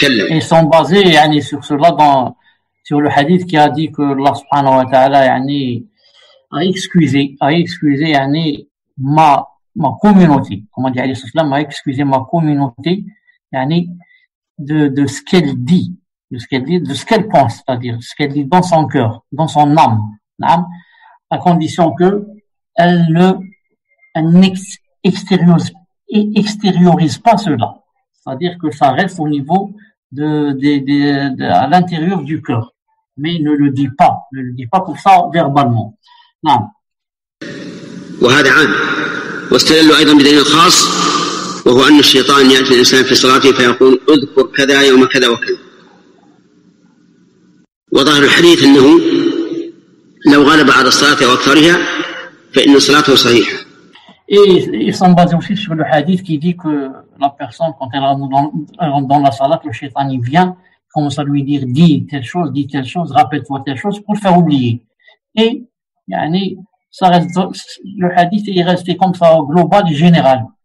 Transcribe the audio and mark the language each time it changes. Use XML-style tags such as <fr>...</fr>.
<fr>Et ils sont basés يعني, sur cela, sur le hadith qui a dit que Allah subhanahu wa ta'ala يعني, a excusé يعني, ma communauté, comment dire, a excusé ma communauté يعني, de ce qu'elle dit, de ce qu'elle pense, c'est-à-dire ce qu'elle dit dans son cœur, dans son âme, à condition qu'elle n'extériorise pas cela, c'est-à-dire que ça reste au niveau de à l'intérieur du cœur, mais ne le dit pas pour ça verbalement.</fr> <ar>وهذا عام واستدل أيضا بدليل خاص وهو أن الشيطان يأتي الإنسان في صلاته فيقول أذكر كذا يوم كذا وكذا وظهر الحديث أنه لو غلب على الصلاة وأكثرها فإن صلاته صحيحة</ar> <fr>Ils sont basés aussi sur le hadith qui dit que la personne quand elle rentre dans la salat le shaitan il vient commence à lui dire dis telle chose rappelle-toi telle chose pour le faire oublier et يعني, ça reste, le hadith est resté comme ça au global et général.</fr>